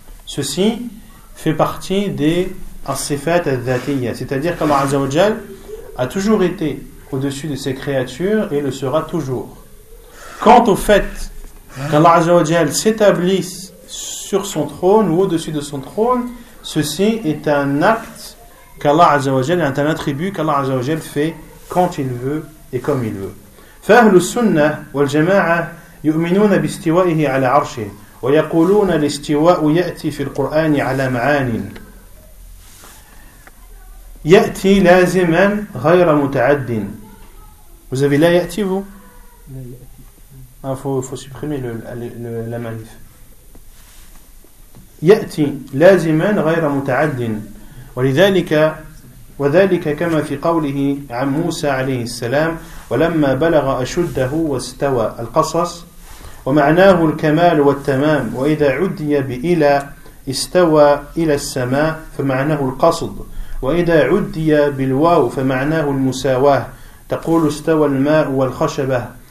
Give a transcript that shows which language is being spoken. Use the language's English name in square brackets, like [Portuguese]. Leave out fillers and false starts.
[French] Ceci fait partie des as-sifat al-dhatiyya, c'est-à-dire qu'Allah Azzawajal a toujours été au-dessus de ses créatures et le sera toujours. Quant au fait qu'Allah Azzawajal s'établisse sur son trône ou au-dessus de son trône, ceci est un acte qu'Allah Azza wa Jal, est un attribut qu'Allah Azza wa Jal fait quand il veut et comme il veut. [Arabic] فأهل السنة والجماعة يؤمنون باستوائه على عرشه ويقولون الاستواء يأتي في القرآن على معان يأتي لازما غير متعد. [French] Vous avez [Arabic] لا يأتي [French] vous? Il faut supprimer le la manif. [Arabic] يأتي لازما غير متعد ولذلك وذلك كما في قوله عن موسى عليه السلام ولما بلغ أشده واستوى القصص ومعناه الكمال والتمام وإذا عدي بإلى استوى إلى السماء فمعناه القصد وإذا عدي بالواو فمعناه المساواة تقول استوى الماء والخشبة